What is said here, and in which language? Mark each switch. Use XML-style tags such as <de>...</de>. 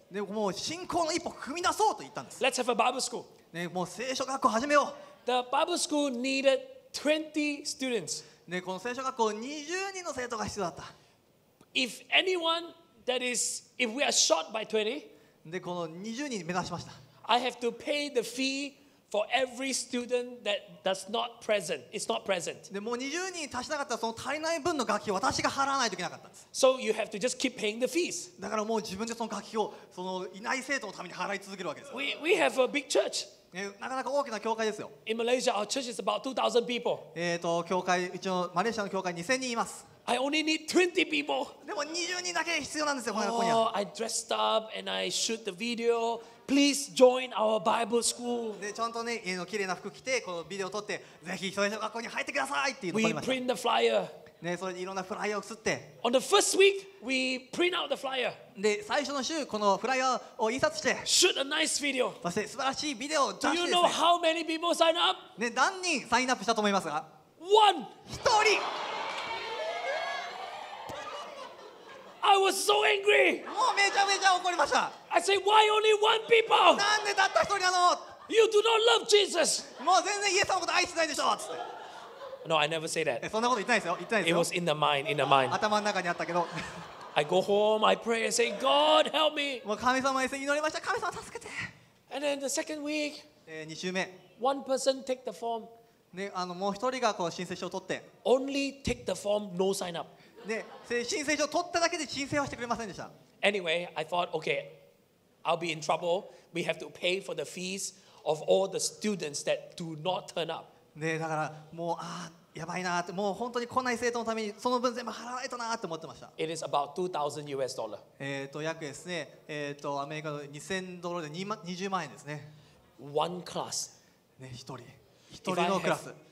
<ja>でもう信仰の一歩踏み出そうと言ったんです。</ja> <en>Let's have a Bible school.</en> <ja>ねもう聖書学校始めよう。</ja> <en>The Bible school needed 20 students.</en> <ja>ねこの聖書学校20人の生徒が必要だった。</ja> <en>If we are short by 20,</en> <ja>でこの20人目指しました。</ja> <en>I have to pay the fee for every student that does not present. It's not present.</en> <ja>でもう20人足しなかったらその足りない分の学費を私が払わないといけなかったんです。</ja> <en>So you have to just keep paying the fees.</en> <ja>だからもう自分でその学費をそのいない生徒のために払い続けるわけです。</ja> <en>We have a big church.</en> <ja>なかなか大きな教会ですよ。</ja> <en>In Malaysia, our church is about 2,000 people.</en> <ja>教会うちのマレーシアの教会2000人います。</ja> <en>I only need 20 people.</en> <ja>でも20人だけ必要なんですよ。</ja> <en>Oh, I dressed up and I shoot the video. Please join our Bible school.</en> <ja>でちゃんとね、綺麗な服着てこのビデオ撮ってぜひ聖書学校に入ってくださいっていうのを。</ja> <en>We print the flyer.</en> <ja>ねそれでいろんなフライヤーを刷って。</ja> <en>On the first week, we print out the flyer.</en> <ja>で最初の週このフライヤーを印刷して。</ja> <en>Shoot a nice video.</en> <ja>そして素晴らしいビデオを出してですね。</ja> <en>Do you know how many people sign up?</en> <ja>ね何人サインアップしたと思いますか</ja> <en>one.</en> <ja>一人。</ja> <en>I was so angry.</en> <ja>もうめちゃめちゃ怒りました。</ja> <en>I said, why only one people?</en> <ja>なんでたった一人なの？</ja> <en>You do not love Jesus.</en> <ja>もう全然イエス様のこと愛してないでしょ。つって。</ja> <en>No, I never say that.</en> <ja>そんなこと言ってないですよ。言ってないですよ。</ja> <en>It was in the mind, in the mind.</en> <ja>頭の中にあったけど。</ja> <en>I go home, I pray, I say, God help me.</en> <ja>もう神様に祈りました。神様助けて。</ja> <en>And then the second week,</en> <ja>2週目。</ja> <en>One person take the form.</en> <ja>ね、あのもう一人がこう申請書を取って。</ja> <en>Only take the form, no sign up.</en> <ja>で申請書を取っただけで申請はしてくれませんでした。</ja> <en>Anyway, I thought, okay, I'll be in trouble. We have to pay for the fees of all the students that do not turn up.</en> <ja>でだからもうああやばいなってもう本当に来ない生徒のためにその分全部払わないとなって思ってました。</ja> <en>It is about $2,000.</en> <ja>約ですね、アメリカの2000ドルで20万円ですね。</ja> <en>One class.</en> <ja>ね一人のクラス。</ja>